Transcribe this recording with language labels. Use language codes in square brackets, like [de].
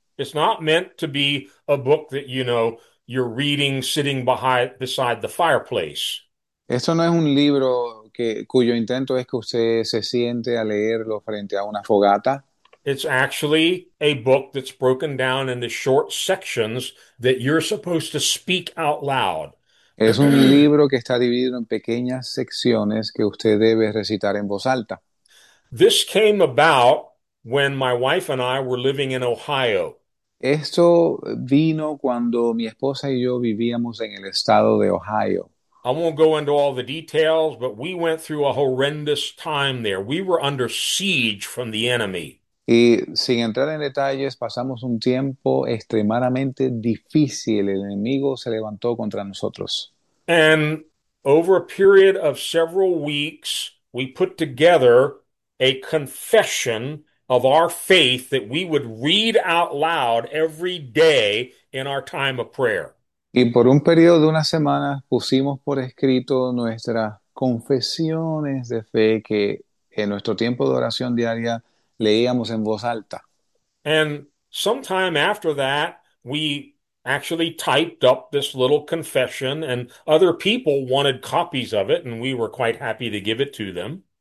[en] It's not meant to be a book that you're reading sitting beside the fireplace. [es] Esto no es un libro cuyo intento es que usted se siente a leerlo frente a una fogata. [en] It's actually a book that's broken down into short sections that you're supposed to speak out loud. [es] Es un libro que está dividido en pequeñas secciones que usted debe recitar en voz alta. [en] This came about when my wife and I were living in Ohio. [es] Esto vino cuando mi esposa y yo vivíamos en el estado de Ohio. [en] I won't go into all the details, but we went through a horrendous time there. We were under siege from the enemy. [es] Y sin entrar en detalles, pasamos un tiempo extremadamente difícil. El enemigo se levantó contra nosotros. [en] And over a period of several weeks, we put together a confession of our faith that we would read out loud every day in our time of prayer. [es] Y por un periodo de una semana pusimos por escrito nuestras confesiones de fe que en nuestro tiempo de oración diaria leíamos en voz alta. [en] And sometime after that, we actually typed up this little confession, and other people wanted copies of it, and we were quite happy to give it to them.